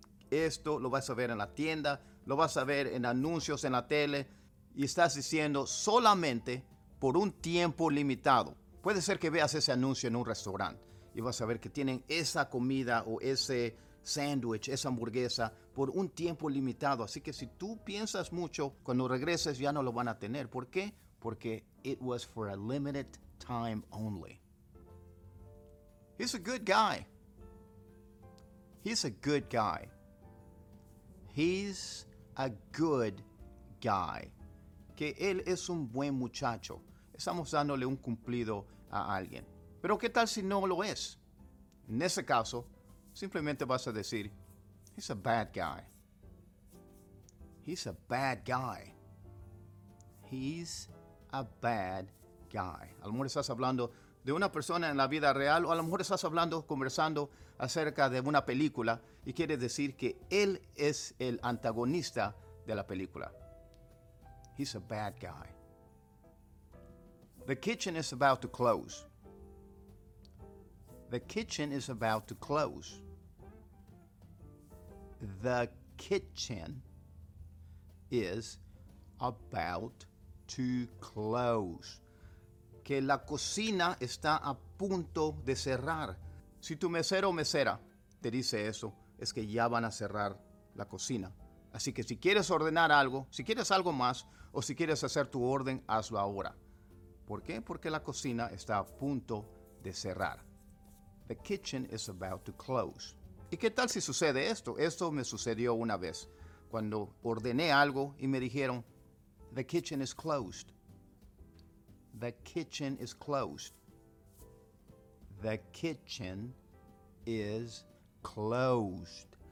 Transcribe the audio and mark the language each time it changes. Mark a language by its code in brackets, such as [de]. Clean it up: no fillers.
[es] Esto lo vas a ver en la tienda, lo vas a ver en anuncios en la tele y estás diciendo solamente por un tiempo limitado. Puede ser que veas ese anuncio en un restaurante. Y vas a ver que tienen esa comida o ese sándwich, esa hamburguesa, por un tiempo limitado. Así que si tú piensas mucho, cuando regreses ya no lo van a tener. ¿Por qué? Porque [en] it was for a limited time only. He's a good guy. He's a good guy. He's a good guy. [es] Que él es un buen muchacho. Estamos dándole un cumplido a alguien. Pero ¿qué tal si no lo es? En ese caso, simplemente vas a decir, [en] he's a bad guy. He's a bad guy. He's a bad guy. [es] A lo mejor estás hablando de una persona en la vida real o a lo mejor estás hablando, conversando acerca de una película y quiere decir que él es el antagonista de la película. [en] He's a bad guy. The kitchen is about to close. The kitchen is about to close. The kitchen is about to close. [es] Que la cocina está a punto de cerrar. Si tu mesero o mesera te dice eso, es que ya van a cerrar la cocina. Así que si quieres ordenar algo, si quieres algo más, o si quieres hacer tu orden, hazlo ahora. ¿Por qué? Porque la cocina está a punto de cerrar. [en] The kitchen is about to close. [es] ¿Y qué tal si sucede esto? Esto me sucedió una vez cuando ordené algo y me dijeron, [en] the kitchen is closed. The kitchen is closed. The kitchen is closed.